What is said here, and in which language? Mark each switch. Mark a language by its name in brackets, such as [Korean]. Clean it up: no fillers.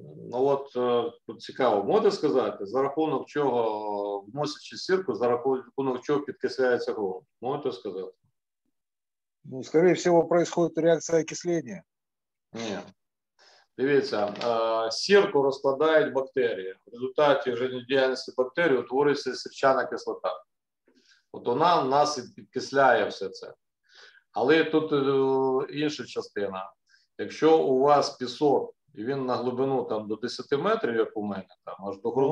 [Ukrainian] Ну от тут цікаво, можете сказати, за рахунок чого, вносячи сірку, за рахунок чого підкисляється ґрунт? Можете сказати? [Russian] Ну, скорее всего, происходит реакция окисления. Нет. [Ukrainian] Дивіться, сірку розкладають бактерії. В результаті життєдіяльності бактерій утворюється сірчана кислота. От вона в нас підкисляє все це. Але тут інша частина. Якщо у вас пісок, і він на глибину там, до 10 метрів, як у мене, там, аж до ґрунту.